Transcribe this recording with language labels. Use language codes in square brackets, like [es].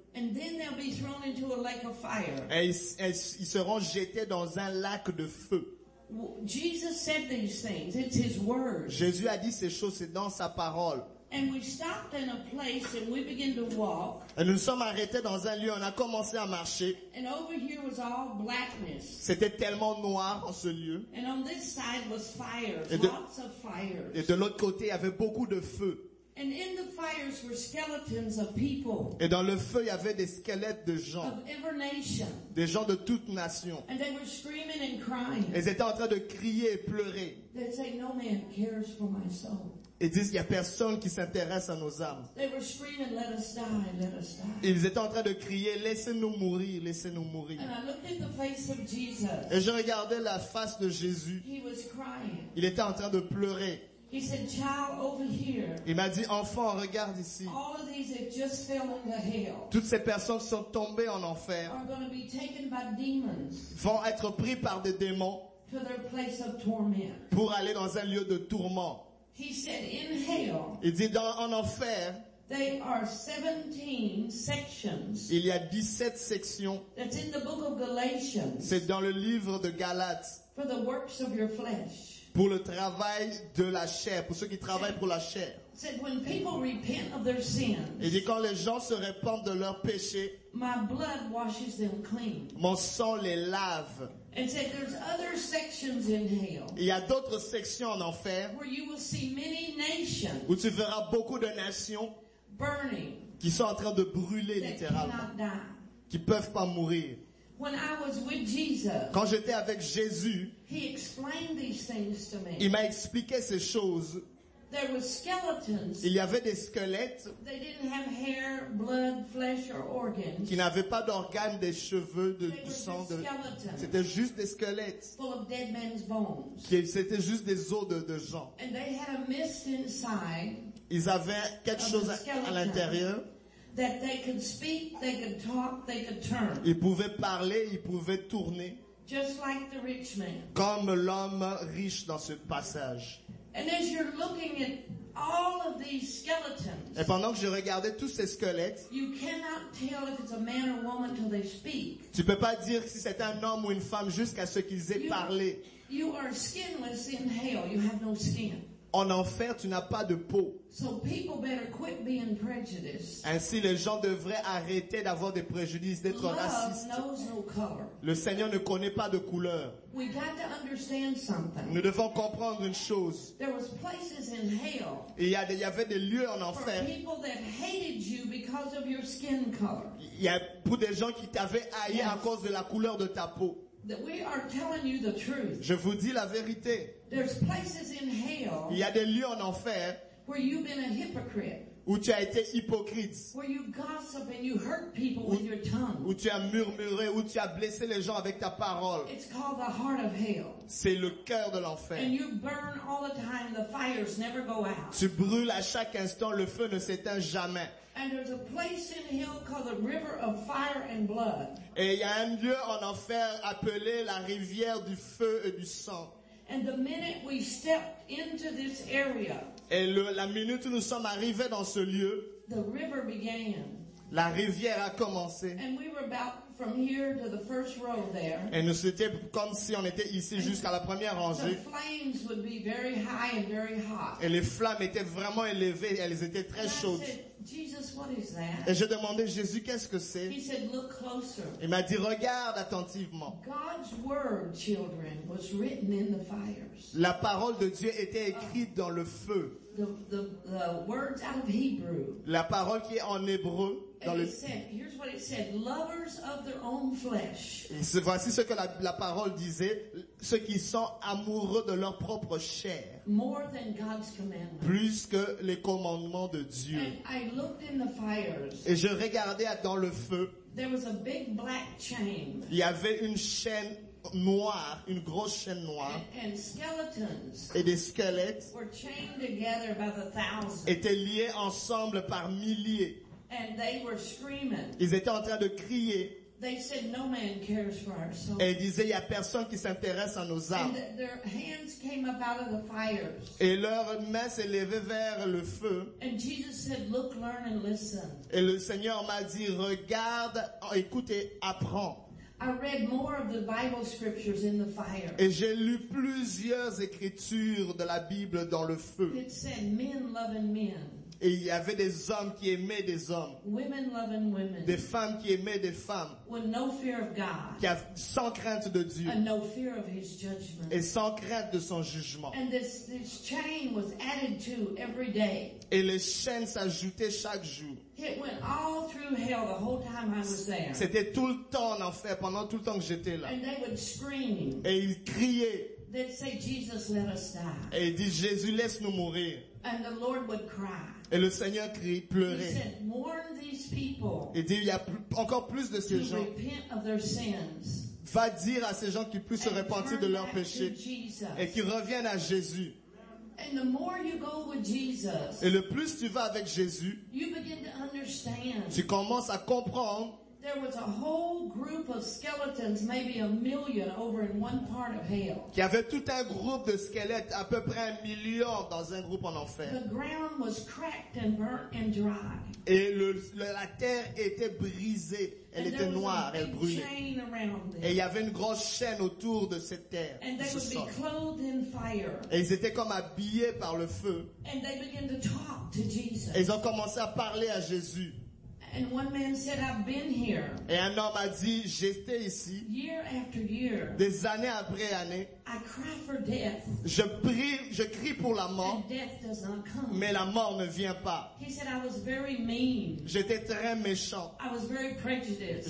[en] and then they'll be thrown into a lake of fire. [fr] Ils seront jetés dans un lac de feu. [en] Jesus said these things. It's his word. [fr] Jésus a dit ces choses, c'est dans sa parole. [en] And we stopped in a place and we began to walk. [fr] Et nous sommes arrêtés dans un lieu, on a commencé à marcher. [en] And over here was all blackness. [fr] C'était tellement noir en ce lieu. [en] And on this side was fires, lots of fires. [fr] Et de l'autre côté, il y avait beaucoup de feu. [en] And in the fires were skeletons of people. [fr] Et dans le feu, il y avait des squelettes de gens. [en] Of every nation. [fr] Des gens de toute nation. [en] And they were screaming and crying. [fr] Et ils étaient en train de crier et pleurer. [en] They say, "No man cares for my soul." [fr] Ils disent, il n'y a personne qui s'intéresse à nos âmes. [en] They were screaming, "Let us die, let us die." [fr] Ils étaient en train de crier, laissez-nous mourir, laissez-nous mourir. [en] And I looked at the face of Jesus. [fr] Et je regardais la face de Jésus. [en] He was crying. [fr] Il était en train de pleurer. [en] He said, "Child, over here." [fr] Il m'a dit, enfant, regarde ici. [en] All of these have just fell into hell. [fr] Toutes ces personnes sont tombées en enfer. [en] Are going to be taken by demons. [fr] Vont être pris par des démons. [en] To their place of torment. [fr] Pour aller dans un lieu de tourment. [en] He said, "In hell." [fr] Il dit dans en enfer. [en] There are 17 sections. [fr] Il y a 17 sections. [en] That's in the book of Galatians. [fr] C'est dans le livre de Galates. [en] For the works of your flesh. [fr] Pour le travail de la chair, pour ceux qui travaillent pour la chair. [en] Said when people repent of their sins. [fr] Il dit quand les gens se repentent de leurs péchés. [en] My blood washes them clean. [fr] Mon sang les lave. [en] And said there's other sections in hell. [fr] Il y a d'autres sections en enfer. [en] Where you will see many nations. [fr] Où tu verras beaucoup de nations. [en] Burning. [fr] Qui sont en train de brûler littéralement. [en] That cannot die. [fr] Qui peuvent pas mourir. [en] When I was with Jesus. [fr] Quand j'étais avec Jésus. [en] He explained these things to me. [fr] Il m'a expliqué ces choses. [en] There were skeletons. [fr] Il y avait des squelettes. [en] They didn't have hair, blood, flesh, or organs. [fr] Qui n'avaient pas d'organes, des cheveux, du sang. [en] They were skeletons. [fr] C'était juste des squelettes. [en] Full of dead man's bones. [fr] C'était juste des os de gens. [en] And they had a mist inside. [fr] Ils avaient quelque chose à l'intérieur. [en] That they could speak, they could talk, they could turn. [fr] Ils pouvaient parler, ils pouvaient tourner. [en] Just like the rich man. [fr] Comme l'homme riche dans ce passage. [en] And as you're looking at all of these skeletons, [fr] et pendant que je regardais tous ces squelettes, [en] you cannot tell if it's a man or woman till they speak. [fr] Tu peux pas dire si c'est un homme ou une femme jusqu'à ce qu'ils aient parlé. [en] You are skinless in hell. You have no skin. [fr] En enfer, tu n'as pas de peau. [en] So people better quit being prejudiced. [fr] Ainsi, les gens devraient arrêter d'avoir des préjudices, d'être racistes. [en] Love knows no color. [fr] Le Seigneur ne connaît pas de couleur. [en] We got to understand something. [fr] Nous devons comprendre une chose. [en] There was places in hell. [fr] Il y a des, il y avait des lieux en enfer. [en] For people that hated you because of your skin color. [fr] Il y a pour des gens qui t'avaient haï à cause de la couleur de ta peau. [en] That we are telling you the truth. [fr] Je vous dis la vérité. [en] There's places in hell. [fr] Il y a des lieux en enfer. [en] Where you've been a hypocrite. [fr] Où tu as été hypocrite. [en] Where you gossip and you hurt people with your tongue. [fr] Où tu as murmuré, où tu as blessé les gens avec ta parole. [en] It's called the heart of hell. [fr] C'est le cœur de l'enfer. [en] And you burn all the time. The fires never go out. [fr] Tu brûles à chaque instant. Le feu ne s'éteint jamais. [en] And there's a place in hell called the river of fire and blood. [fr] Et il y a un lieu en enfer appelé la rivière du feu et du sang. [en] And the minute we step into this area. [fr] Et la minute où nous sommes arrivés dans ce lieu. [en] The river began. [fr] La rivière a commencé. [en] And we were about from here to the first row there. [fr] Et nous c'était comme si on était ici jusqu'à la première rangée. [en] The flames would be very high and very hot. [fr] Et les flammes étaient vraiment élevées, elles étaient très chaudes. [en] Jesus, what is that? [fr] Et j'ai demandé, Jésus, qu'est-ce que c'est? [en] He said, look closer. [fr] Il m'a dit, regarde attentivement. [en] God's word, children, was written in the fires. [fr] La parole de Dieu était écrite dans le feu. [en] The words out of Hebrew. [fr] La parole qui est en hébreu. Dans le... [en] said, here's what it said, lovers of their own flesh. [fr] Voici ce que la parole disait, ceux qui sont amoureux de leur propre chair. [en] More than God's commandments. [fr] Plus que les commandements de Dieu. [en] And I looked in the fires. [fr] Et je regardais dans le feu. [en] There was a big black chain. [fr] Il y avait une chaîne noire, une grosse chaîne noire. [en] And skeletons. [fr] Et des squelettes. [en] Were chained together by the thousands. [fr] Étaient liés ensemble par milliers. [en] And they were screaming. [fr] Ils étaient en train de crier. [en] They said, no man cares for our souls. [fr] Et ils disaient, il n'y a personne qui s'intéresse à nos âmes. [en] And their hands came up out of the fires. [fr] Et leurs mains s'élevaient vers le feu. [en] And Jesus said, look, learn and listen. [fr] Et le Seigneur m'a dit, regarde, écoute et apprends. [en] I read more of the Bible scriptures in the fire. [fr] Et j'ai lu plusieurs écritures de la Bible dans le feu. [en] It said, men loving men. [fr] Et il y avait des hommes qui aimaient des hommes. [en] Women loving women. [fr] Des femmes qui aimaient des femmes. [en] With no fear of God. [fr] Qui avaient sans crainte de Dieu. [en] And no fear of his judgment. [fr] Et sans crainte de son jugement. [en] And this chain was added to every day. [fr] Et les chaînes s'ajoutaient chaque jour. [en] It went all through hell the whole time I was there. [fr] C'était tout le temps en enfer, pendant tout le temps que j'étais là. [en] And they would scream. [fr] Et ils criaient. [en] They'd say, Jesus, let us die. [fr] Et ils disaient, Jésus, laisse-nous mourir. [en] And the Lord would cry. [fr] Et le Seigneur crie, pleurait. [en] He said, warn these people. [fr] Et dit, il y a encore plus de ces gens. [en] Repent of their sins. [fr] Va dire à ces gens qu'ils puissent se repentir de leurs péchés. Et qu'ils reviennent à Jésus. [en] And the more you go with Jesus, [fr] et le plus tu vas avec Jésus, you begin to understand. Tu commences à comprendre. [en] There was a whole group of skeletons, maybe a million, over in one part of hell. [fr] Qui avait tout un groupe de squelettes, à peu près un million dans un groupe en enfer. [en] The ground was cracked and burnt and dry. [fr] Et la terre était brisée, elle était noire, elle brûlait. Et il y avait une grosse chaîne autour de cette terre. [en] And they would be clothed in fire. [fr] Et ils étaient comme habillés par le feu. [en] And they began to talk to Jesus. [fr] Et ils ont commencé à parler à Jésus. [en] And one man said, I've been here. [fr] Et un homme a dit, j'étais ici. [en] Year after year. [fr] Des années après années. [en] I cry for death. [fr] Je crie pour la mort. [en] And death does not come. [fr] Mais la mort ne vient pas. [en] He said, I was very mean. [fr] J'étais très méchant. [en] I was very prejudiced.